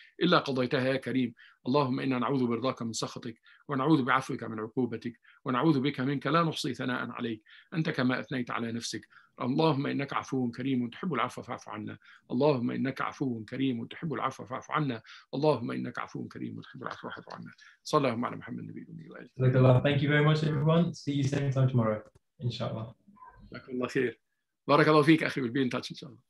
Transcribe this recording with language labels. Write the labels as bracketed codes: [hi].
[ar] إلا قضيتها يا كريم اللهم إنا نعوذ برضاك من سخطك ونعوذ بعفوك من عقوبتك ونعوذ بك منك لا نحصي ثناء عليك أنت كما أثنيت على نفسك اللهم إنك عفو كريم تحب العفو فاعف عنا اللهم إنك عفو كريم تحب العفو فاعف عنا اللهم إنك عفو كريم تحب العفو فاعف عنا صلى الله على محمد النبي الأمي والأجل جزاك الله [en] thank you very much everyone see you same time tomorrow [ar] إن شاء الله جزاك الله خير بارك الله فيك أخي بالبين تاتش إن شاء الله